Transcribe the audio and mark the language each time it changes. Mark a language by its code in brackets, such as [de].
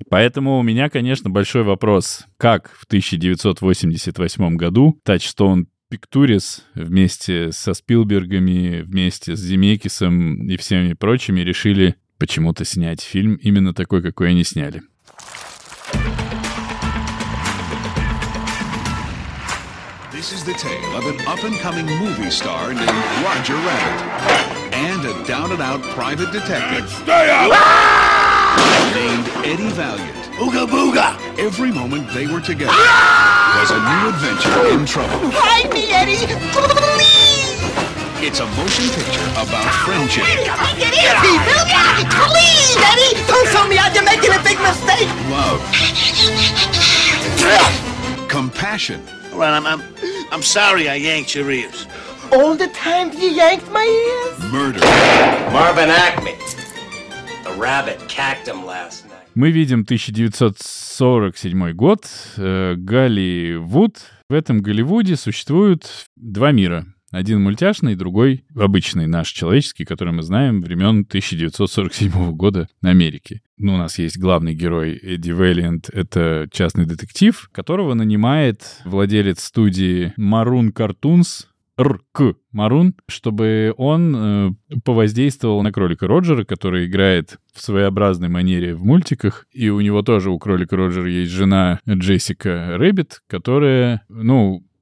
[ru] Поэтому у меня, конечно, большой вопрос. Как в 1988 году Touchstone Pictures вместе со Спилбергами, вместе с Земекисом и всеми прочими решили почему-то снять фильм именно такой, какой они сняли? [en] This is the tale of an up-and-coming movie star named Roger Rabbit and a down-and-out private detective named Eddie Valiant. Ooga booga! Every moment they were together was a new adventure in trouble. Hide me, Eddie! Please! It's a motion picture about friendship. Please, Eddie! Don't tell me I'm making a big mistake! Love. Compassion. All right, I'm sorry I yanked your ears. All the time you yanked my ears? Murder. Marvin Acme. The rabbit cacked him last night. [ru] Мы видим 1947 год. Голливуд. В этом Голливуде существуют два мира. Один мультяшный, другой обычный наш человеческий, который мы знаем времен 1947 года на Америке. Ну, у нас есть главный герой Эдди Вэлиант, это частный детектив, которого нанимает владелец студии Maroon Cartoons, РК Maroon, чтобы он повоздействовал на кролика Роджера, который играет в своеобразной манере в мультиках, и у него тоже у кролика Роджера есть жена Джессика Рэббит, которая, ну,